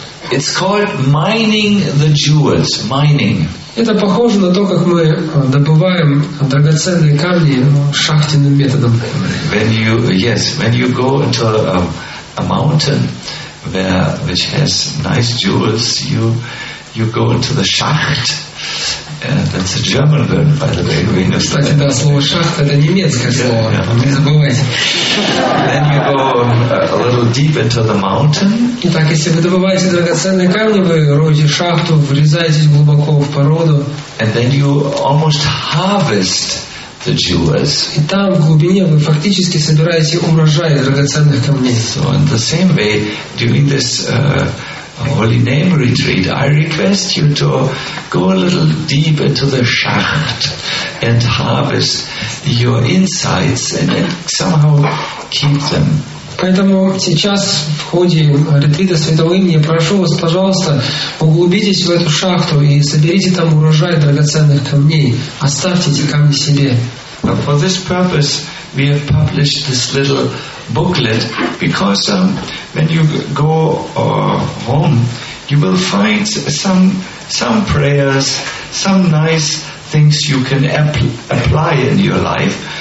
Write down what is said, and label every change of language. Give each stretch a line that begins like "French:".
English: It's called mining the jewels. Mining.
Russian: Это похоже на то, как мы добываем драгоценные камни шахтенным методом.
English: When you go into a mountain which has nice jewels, you go into the shacht. That's a German word, by the way. We know.
Russian: Кстати, да, слово шахта — это немецкое слово. Не забывайте.
English: Then you go a little deep into the mountain.
Russian: Итак, если вы добываете драгоценные камни, вы роете шахту, врезаетесь глубоко в породу.
English: And then you almost harvest the jewels.
Russian: И там в глубине вы фактически собираете урожай драгоценных камней.
English: So in the same way, during this Holy Name Retreat, I request you to go a little deep into the shacht and harvest your insights and somehow keep them.
Russian: Поэтому сейчас в ходе ретрита Святого Имени я прошу вас, пожалуйста, углубитесь в эту шахту и соберите там урожай драгоценных камней. Оставьте эти камни себе.
English: Now for this purpose, we have published this little booklet because when you go home, you will find some prayers, some nice things you can apply in your life.